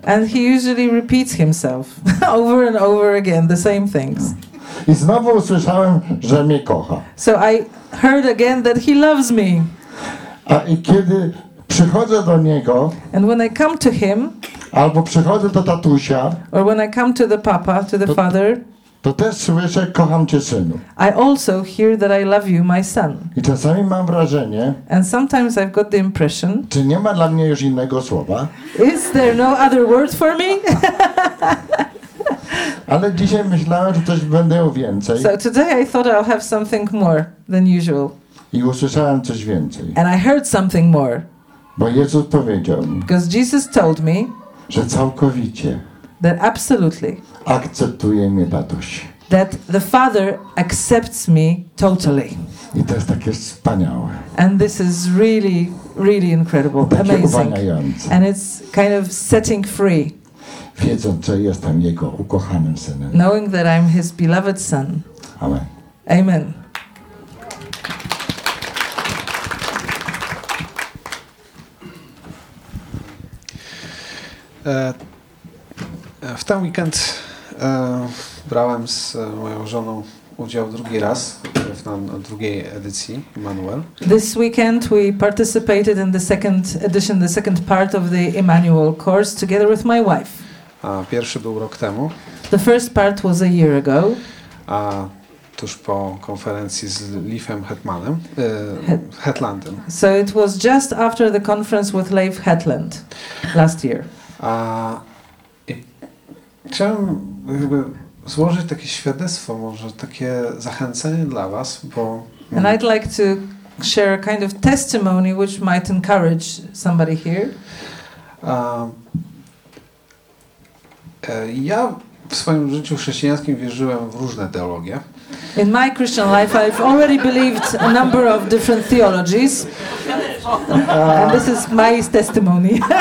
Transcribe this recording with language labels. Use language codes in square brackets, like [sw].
[en] And he usually repeats himself over and over again the same things. [pl] I znowu usłyszałem, że mnie kocha. [en] So I heard again that he loves me. [pl] A i kiedy przychodzę do niego, [en] and when I come to him, [pl] albo przychodzę do tatusia, [en] or when I come to the papa, to the father, [pl] to też słyszę, kocham cię, synu. [en] I also hear that I love you, my son. [pl] I czasami mam wrażenie. [en] And sometimes I've got the impression. [pl] Czy nie ma dla mnie już innego słowa? [en] Is there no other word for me? [pl] Ale dzisiaj myślałem, że coś będę miał więcej. [en] So today I thought I'll have something more than usual. [pl] I usłyszałem coś więcej. [en] And I heard something more. [pl] Bo Jezus powiedział mi. [en] Because Jesus told me. [pl] Że całkowicie. [en] That absolutely. [pl] Akceptuje mnie tatuś. [en] That the Father accepts me totally. [pl] I to jest takie wspaniałe. [en] And this is really, really incredible, amazing. And it's kind of setting free. [pl] Wiedząc, że jestem jego ukochanym synem. [en] Knowing that I'm his beloved son. Amen. Amen. [pl] W ten weekend brałem z moją żoną udział drugi raz w drugiej edycji Emmanuel. [en] This weekend we participated in the second edition, the second part of the Emmanuel course together with my wife. [pl] A pierwszy był rok temu. [en] The first part was a year ago. [pl] A tuż po konferencji z Leifem Hetmanem, Hetlandem. [en] So it was just after the conference with Leif Hetland last year. [pl] A chciałem jakby złożyć takie świadectwo, może takie zachęcenie dla was, bo [en] and I'd like to share a kind of testimony which might encourage somebody here. [pl] Ja w swoim życiu chrześcijańskim wierzyłem w różne teologie. [en] In my Christian life I've already believed a number of different theologies. And this is my testimony.